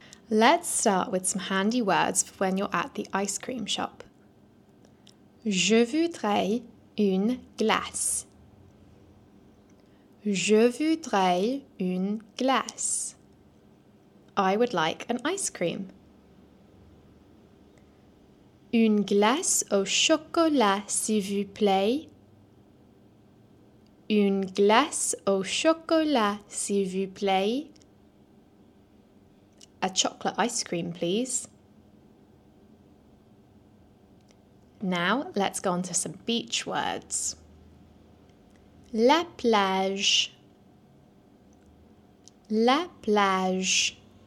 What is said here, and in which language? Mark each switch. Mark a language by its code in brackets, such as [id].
[en] Let's start with some handy words for when you're at the ice cream shop. [fr] Je voudrais une glace. Je voudrais une glace. [en] I would like an ice cream. [fr] Une glace au chocolat, s'il vous plaît. Une glace au chocolat, s'il vous plaît. [en] A chocolate ice cream, please. Now, let's go on to some beach words. [fr] La plage. La plage.